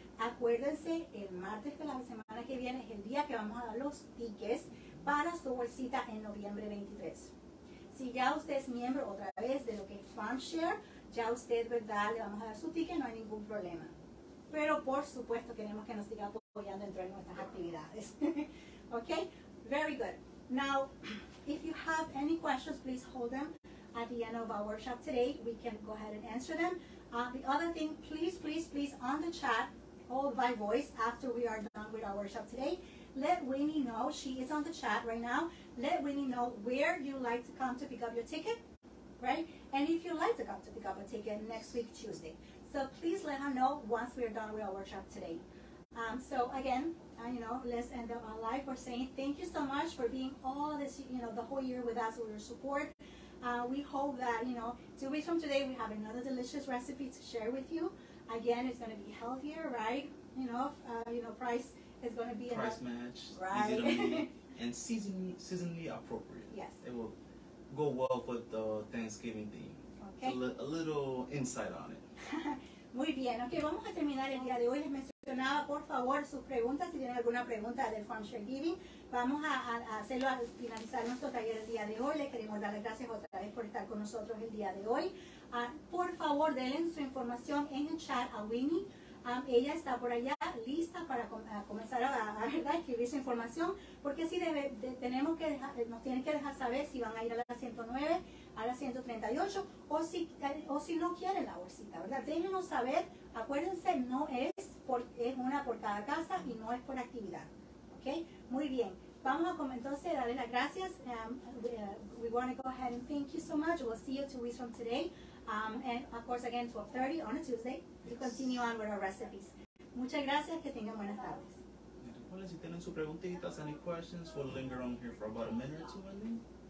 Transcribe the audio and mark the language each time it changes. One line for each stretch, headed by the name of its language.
Spanish: Acuérdense, el martes de la semana que viene es el día que vamos a dar los tickets para su bolsita en noviembre 23. Si ya usted es miembro otra vez de lo que es Farm Share, ya usted, ¿verdad?, le vamos a dar su ticket, no hay ningún problema. Pero por supuesto queremos que nos siga apoyando dentro de nuestras actividades.
English: Ok, very good. Now, if you have any questions, please hold them at the end of our workshop today. We can go ahead and answer them. The other thing, please, please, please, on the chat, hold my voice after we are done with our workshop today. Let Winnie know, she is on the chat right now. Let Winnie know where you like to come to pick up your ticket, right? And if you like to come to pick up a ticket next week, Tuesday. So please let her know once we are done with our workshop today. So again, you know, let's end up our live for saying thank you so much for being all this, you know, the whole year with us, with your support. We hope that, you know, 2 weeks from today, we have another delicious recipe to share with you. Again, it's going to be healthier, right? You know, price is going to be price enough. Match, right? Easy to make, and seasonally appropriate. Yes, it will go well with the Thanksgiving theme. Okay, so a little insight on it.
Spanish: Muy bien. Okay, vamos a terminar el día de hoy. Les mencionaba, por favor, sus preguntas. Si tienen alguna pregunta del Farm Share Giving, vamos a hacerlo al finalizar nuestro taller el día de hoy. Les queremos dar las gracias otra vez por estar con nosotros el día de hoy. Por favor, denle su información en el chat a Winnie. Ella está por allá lista para comenzar a escribir su información, porque si nos tienen que dejar saber si van a ir a la 109, a la 138, o si no quieren la bolsita, ¿verdad? Déjenos saber. Acuérdense, no es una por cada casa y no es por actividad. ¿Okay? Muy bien. Vamos a comentar, darle las gracias.
English: We want to go ahead and thank you so much. We'll see you 2 weeks from today. And of course, again, 12:30 on a Tuesday to continue on with our recipes.
Spanish: Muchas gracias. Que tengan buenas tardes.
English: Hola, si tienen sus preguntitas, any questions, we'll linger on here for about a minute or two, I think.